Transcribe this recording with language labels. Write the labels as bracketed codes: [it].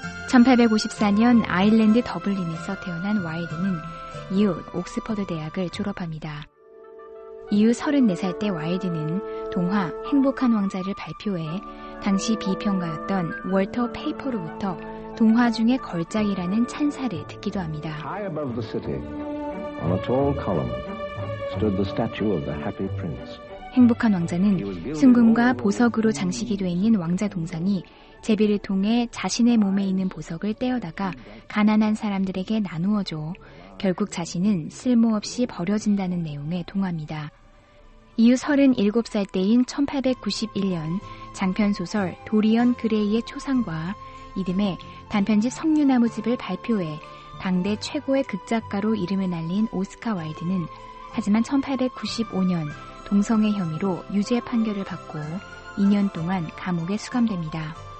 [ko] 1854년 아일랜드 더블린에서 태어난 와일드는 이후 옥스퍼드 대학을 졸업합니다. 이후 34살 때 와일드는 동화 행복한 왕자를 발표해 당시 비평가였던 월터 페이퍼로부터 동화 중에 걸작이라는 찬사를 듣기도 합니다. [en] High above the city, on a tall column, stood the statue of the happy prince. [ko] 행복한 왕자는 순금과 보석으로 장식이 되어 있는 왕자 동상이 제비를 통해 자신의 몸에 있는 보석을 떼어다가 가난한 사람들에게 나누어줘 결국 자신은 쓸모없이 버려진다는 내용의 동화입니다. 이후 37살 때인 1891년 장편소설 도리언 그레이의 초상과 이듬해 단편집 석류나무집을 발표해 당대 최고의 극작가로 이름을 날린 오스카 와일드는 하지만 1895년 동성애 혐의로 유죄 판결을 받고 2년 동안 감옥에 수감됩니다.